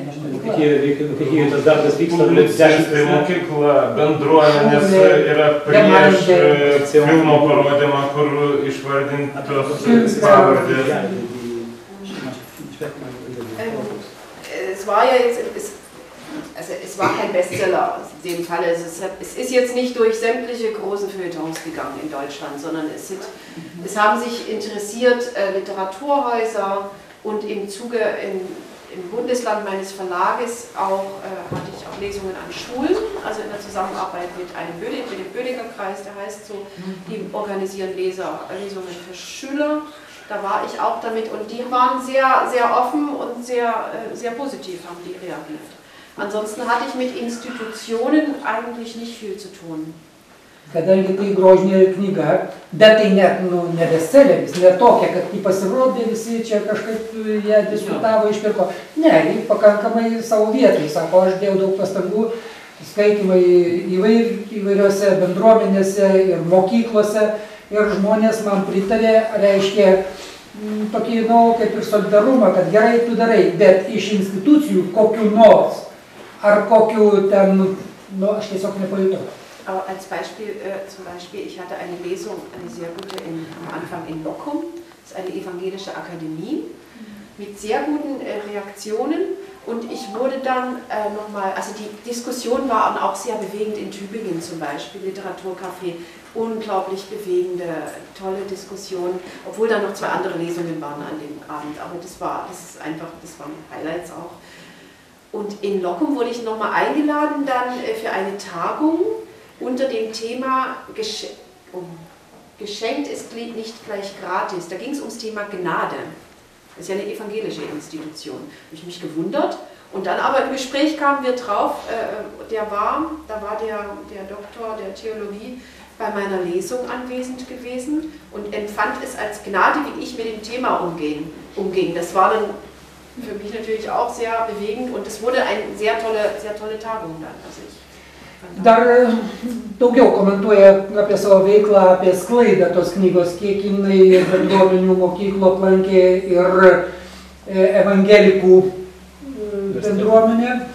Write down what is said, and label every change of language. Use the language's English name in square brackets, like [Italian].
[Lithuanian] nežinau, kaip jie tas darbas vyksta, tai mokykla, bendruomenės yra prieš filmo parodymą, kur išvardintos pavardės. [German] Es war kein Bestseller in dem Fall. Es ist jetzt nicht durch sämtliche großen Feuilletons gegangen in Deutschland, sondern es haben sich interessiert Literaturhäuser und im Zuge im Bundesland meines Verlages auch hatte ich auch Lesungen an Schulen, also in der Zusammenarbeit mit einem Bödinger-Kreis, der heißt so, die organisieren Lesungen für Schüler. Da war ich auch damit und die waren sehr, sehr offen und sehr, sehr positiv haben die reagiert. Ansonsten hatte ich mit Institutionen eigentlich nicht viel zu tun. [Lithuanian] Kadangi tai grožinė knyga, bet tai ne bestselleris, ne tokia, kad jį pasirodė, visi čia kažkaip jie diskutavo, išpirko. Ne, jį pakankamai savo vietoj, sako, aš dėjau daug pastangų, skaitymai įvairiose bendruomenėse ir mokyklose, ir žmonės man pritarė, reiškia, tokį, nu, kaip ir solidarumą, kad gerai tu darai, bet iš institucijų kokių nors, ar kokių ten, nu, aš tiesiog nepajutau. [German] Aber als Beispiel, zum Beispiel, ich hatte eine Lesung, eine sehr gute, am Anfang in Loccum, das ist eine evangelische Akademie, mit sehr guten Reaktionen. Und ich wurde dann nochmal, also die Diskussion war auch sehr bewegend in Tübingen zum Beispiel, Literaturcafé, unglaublich bewegende, tolle Diskussion, obwohl da noch zwei andere Lesungen waren an dem Abend. Aber das waren Highlights auch. Und in Loccum wurde ich nochmal eingeladen dann für eine Tagung, unter dem Thema geschenkt ist nicht gleich gratis. Da ging es ums Thema Gnade. Das ist ja eine evangelische Institution. Da habe ich mich gewundert. Und dann aber im Gespräch kamen wir drauf, der Doktor der Theologie bei meiner Lesung anwesend gewesen und empfand es als Gnade, wie ich mit dem Thema umging. Das war dann für mich natürlich auch sehr bewegend und es wurde eine sehr tolle Tagung dann. Also [Lithuanian] dar daugiau komentuoja apie savo veiklą, apie sklaidą tos knygos, kiek jinai bendruomenių mokyklų aplankė ir evangelikų bendruomenė.